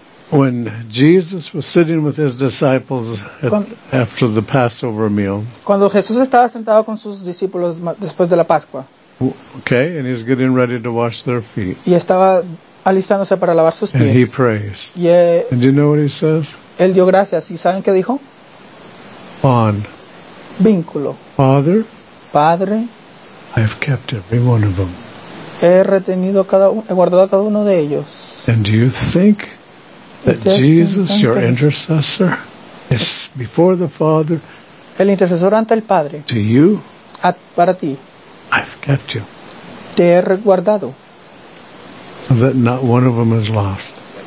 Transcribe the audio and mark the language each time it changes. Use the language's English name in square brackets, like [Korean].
[English] When Jesus was sitting with his disciples after the Passover meal. [Spanish] Cuando Jesús estaba sentado con sus discípulos después de la Pascua. [English] Okay, and he's getting ready to wash their feet. [Spanish] Y estaba alistándose para lavar sus pies. [English] And he prays. [Spanish] Y, [English] and do you know what he says? [Spanish] Él dio gracias. ¿Y saben qué dijo? [English] Bond. [Spanish] Vínculo. [English] Father. [Spanish] Padre. [English] I have kept every one of them. [Spanish] He retenido cada he guardado cada uno de ellos. [English] And do you think? That Jesus, your intercessor, is before the Father. [Spanish] El intercesor ante el Padre. [English] To you. [Spanish] Para ti. [English] I've kept you. [Spanish] Te he resguardado. [English] So that not one of them is lost.